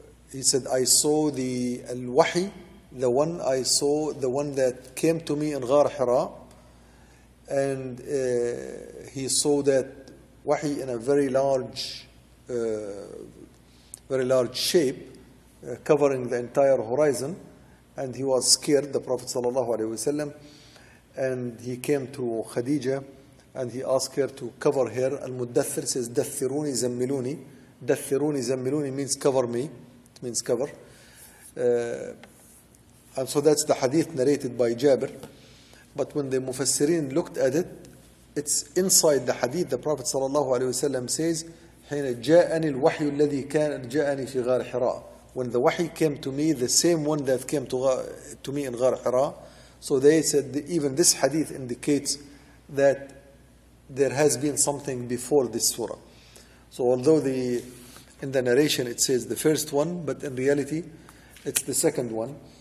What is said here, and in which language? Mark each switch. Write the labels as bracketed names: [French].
[English] he said, I saw the al-wahi, the one that came to me in Ghar Hira, and he saw that wahi in a very large shape, covering the entire horizon, and he was scared, the Prophet sallallahu alaihi wasallam, and he came to Khadija and he asked her to cover her. Al-Muddathir says, Dathiruni Zammiluni. Dathiruni Zammiluni means cover me. It means cover. And so that's the hadith narrated by Jabir. But when the Mufassirin looked at it, it's inside the hadith. The Prophet sallallahu alaihi wasallam says, [Arabic] حين جاءني الوحي الذي كان جاءني في غار حراء. [English] When the wahi came to me, the same one that came to me in Ghar Hira. So they said, even this hadith indicates that there has been something before this surah. So although in the narration it says the first one, but in reality it's the second one.